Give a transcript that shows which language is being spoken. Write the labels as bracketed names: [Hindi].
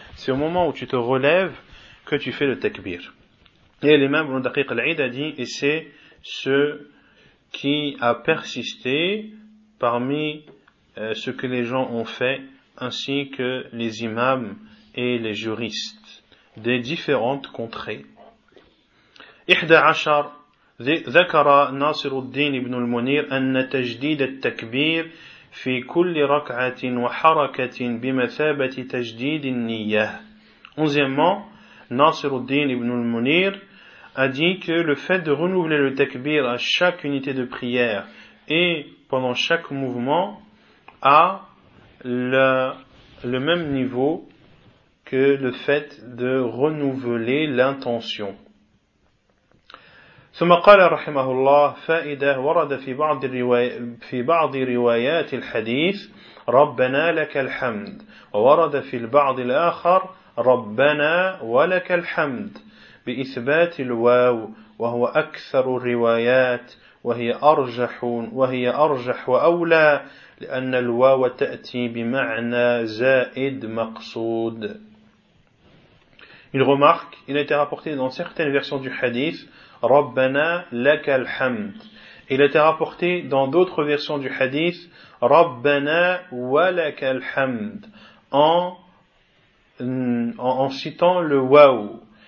[French] C'est au moment où tu te relèves que tu fais le takbir. Et l'imam Ibn Daqiq al-Aïd a dit, et c'est ce qui a persisté parmi ce que les gens ont fait, ainsi que les imams et les juristes des différentes contrées. [Arabic] Ihda achar. ذكر ناصر الدين بن المنير أن تجديد التكبير في كل ركعة وحركة بمثابة تجديد النية. [French] Onzièmement, ناصر الدين بن المنير a dit que le fait de renouveler le takbir à chaque unité de prière et pendant chaque mouvement a le même niveau que le fait de renouveler l'intention. [Arabic] ثم قال رحمه الله فائدة ورد في بعض الرواية في بعض روايات الحديث ربنا لك الحمد وورد في البعض الآخر ربنا ولك الحمد بإثبات الواو وهو أكثر الروايات وهي أرجح وأولى لأن الواو تأتي بمعنى زائد مقصود. [French] Il remarque, il a été rapporté dans certaines versions du hadith [Arabic] Rabbana laka alhamd. [French] Il a été rapporté dans d'autres versions du hadith [Arabic] Rabbana wa laka alhamd [French] en citant le waw.